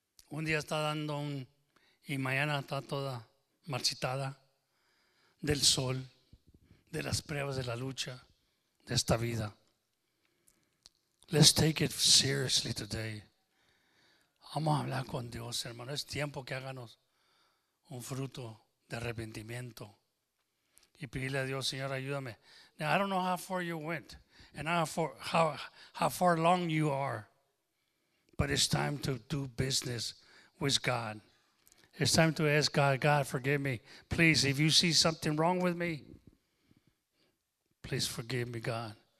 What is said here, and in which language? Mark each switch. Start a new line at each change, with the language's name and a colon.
Spanish: Un día está dando y mañana está toda marchitada del sol, de las pruebas, de la lucha, de esta vida.
English: Let's take it seriously today.
Spanish: Vamos a hablar con Dios, hermano. Es tiempo que háganos un fruto de arrepentimiento y pedirle a Dios, Señor, ayúdame.
English: Now, I don't know how far you went and how far long you are, but it's time to do business with God. It's time to ask God, God, forgive me. Please, if you see something wrong with me, please forgive me, God.